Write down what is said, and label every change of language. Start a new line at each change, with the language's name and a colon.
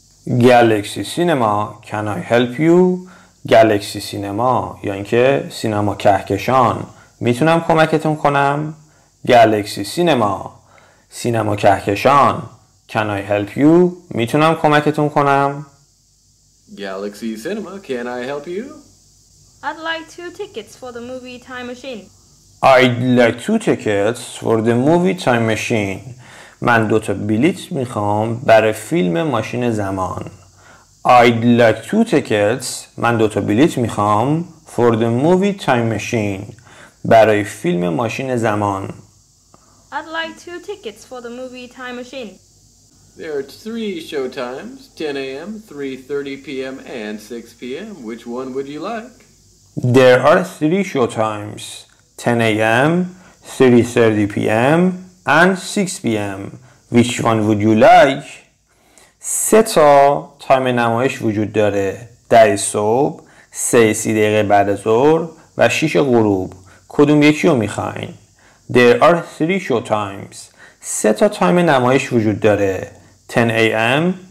English: Galaxy Cinema, can I help you?
Persian: گالکسی سینما یا اینکه سینما کهکشان، میتونم کمکتون کنم؟ گالکسی سینما، سینما کهکشان،
English: can I help you؟
Persian: میتونم کمکتون کنم؟
English: Galaxy Cinema, can I help you؟ I'd like two tickets for the movie Time Machine. I'd like two tickets for the movie Time Machine.
Persian: من دو تا بلیط میخوام برای فیلم ماشین زمان.
English: I'd like two tickets.
Persian: من دوتا بلیط میخوام
English: for the movie Time Machine.
Persian: برای فیلم ماشین زمان.
English: I'd like two tickets for the movie Time Machine. There are three show times, 10 a.m., 3:30 p.m., and 6 p.m. Which one would you like? There are three show times, 10 a.m., 3:30 p.m., and 6 p.m. Which one would you like?
Persian: سه تا تایم نمایش وجود داره، 10 صبح، 3:30 دقیقه بعد از ظهر و 6 غروب. کدوم یکی رو میخواین؟
English: There are three show times.
Persian: سه تا تایم نمایش وجود داره، 10 a.m.